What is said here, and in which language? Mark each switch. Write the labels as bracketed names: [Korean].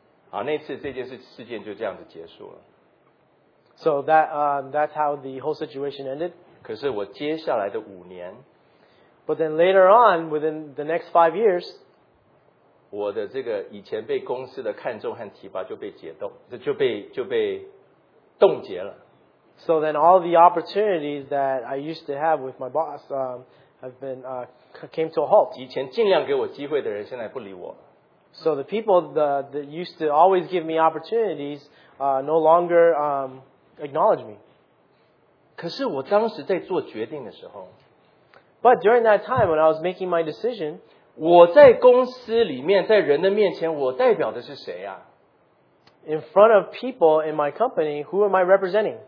[Chinese] 好，那次这件事件就这样子结束了。 [English] So that that's how the whole situation ended. [Chinese] 可是我接下来的五年。 [English] But then later on, within the next 5 years. [Chinese] 我的这个以前被公司的看重和提拔就被解冻，就被冻结了。 [English] So then all the opportunities that I used to have with my boss have been came to a halt. [Chinese] 以前尽量给我机会的人现在不理我。 [English] So the people that used to always give me opportunities no longer acknowledge me. [Chinese] 可是我当时在做决定的时候, [English] but during that time when I was making my decision, [Chinese] 我在公司里面, 在人的面前, [English] in front of people in my company, who am I representing?